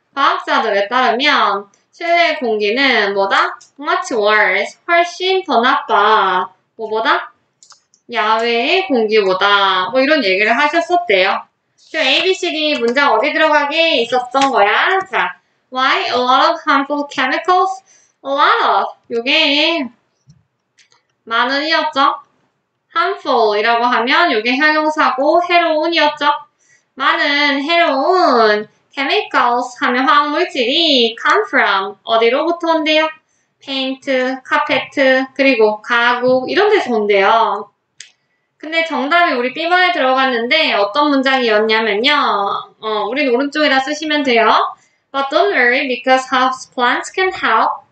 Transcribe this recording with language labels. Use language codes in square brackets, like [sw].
[ko] 과학자들에 따르면, 실내 공기는 뭐다? [en] Much worse. [ko] 훨씬 더 나빠. 뭐보다? 야외의 공기보다. 뭐 이런 얘기를 하셨었대요. 그 ABCD 문장 어디 들어가게 있었던 거야? [en] 자, why a lot of harmful chemicals? [ko] A lot of. 요게 많은이었죠? harmful이라고 하면 요게 형용사고 해로운이었죠? 많은 해로운 chemicals 하면 화학물질이 [en] come from [ko] 어디로부터 온대요? 페인트, 카펫, 그리고 가구 이런 데서 온대요. 근데 정답이 우리 B번에 들어갔는데 어떤 문장이었냐면요. 우린 오른쪽이라 쓰시면 돼요. [en] But don't worry because house plants can help.